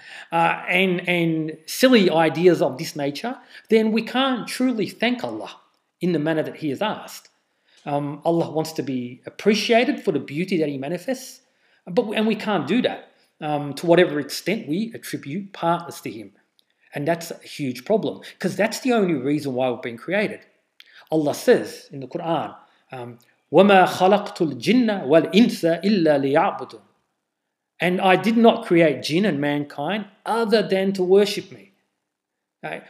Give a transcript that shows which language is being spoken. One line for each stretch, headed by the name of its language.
English: and silly ideas of this nature, then we can't truly thank Allah in the manner that He has asked. Allah wants to be appreciated for the beauty that He manifests, and we can't do that to whatever extent we attribute partners to Him. And that's a huge problem, because that's the only reason why we've been created. Allah says in the Quran,
Arabic: وَمَا خَلَقْتُ الْجِنَّ وَالْإِنسَ إِلَّا لِيَعْبُدُ.
English: And I did not create jinn and mankind other than to worship me. Okay?